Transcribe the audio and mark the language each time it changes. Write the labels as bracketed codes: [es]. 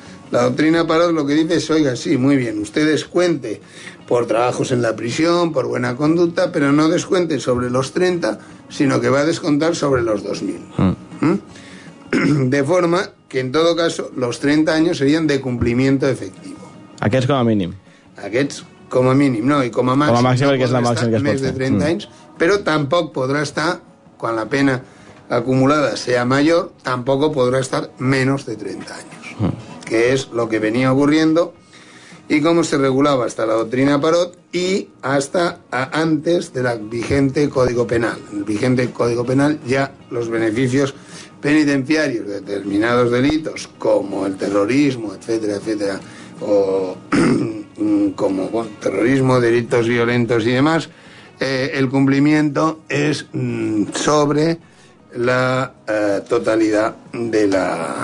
[es] La doctrina Parot lo que dice es, oiga, sí, muy bien, usted descuente por trabajos en la prisión, por buena conducta, pero no descuente sobre los 30, sino que va a descontar sobre los 2000. De forma que, en todo caso, los 30 años serían de cumplimiento efectivo. [ca] Aquests com a mínim. Aquests com a mínim, no, i com a màxim. Com a màxim, perquè és la màxim que es pot fer. Més de 30 anys, però tampoc podrà estar, quan la pena acumulada [es] sea mayor, [ca] tampoc podrà estar menos de 30 anys. [es] Que es lo que venía ocurriendo y cómo se regulaba hasta la doctrina Parot y hasta antes del vigente Código Penal. En el vigente Código Penal ya los beneficios penitenciarios de determinados delitos, como el terrorismo, etcétera, etcétera, o como bueno, terrorismo, delitos violentos y demás, el cumplimiento es sobre la totalidad de la...